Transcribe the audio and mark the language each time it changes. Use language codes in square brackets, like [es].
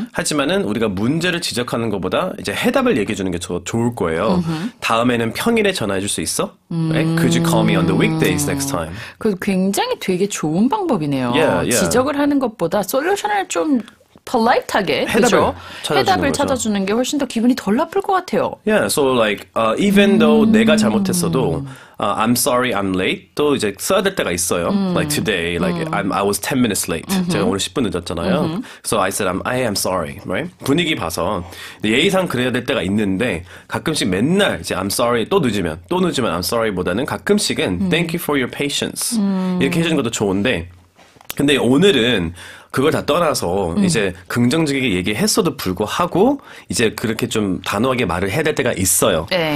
[ko] 하지만은 우리가 문제를 지적하는 것보다 이제 해답을 얘기해 주는 게 좋을 거예요. 다음에는 평일에 전화해 줄 수 있어? [en] Could you call me on the weekdays next time? [ko] 그 굉장히 되게 좋은 방법이네요. [en] Yeah, yeah. [ko] 지적을 하는 것보다 솔루션을 좀 polite하게 해답을, 해답을 찾아주는 게 훨씬 더 기분이 덜 나쁠 것 같아요. [en] Yeah, so like even though [ko] 내가 잘못했어도 [en] I'm sorry, I'm late. [ko] 또 이제 써야 될 때가 있어요. [en] Like today, like I was 10 minutes late. [ko] 제가 오늘 10분 늦었잖아요. [en] So I said I am sorry, right? [ko] 분위기 봐서 예의상 그래야 될 때가 있는데 가끔씩 맨날 이제 I'm sorry 또 늦으면 I'm sorry보다는 가끔씩은 [en] Thank you for your patience [ko] 이렇게 해주는 것도 좋은데 근데 오늘은 그걸 다 떠나서 이제 긍정적이게 얘기했어도 불구하고 이제 그렇게 좀 단호하게 말을 해야 될 때가 있어요.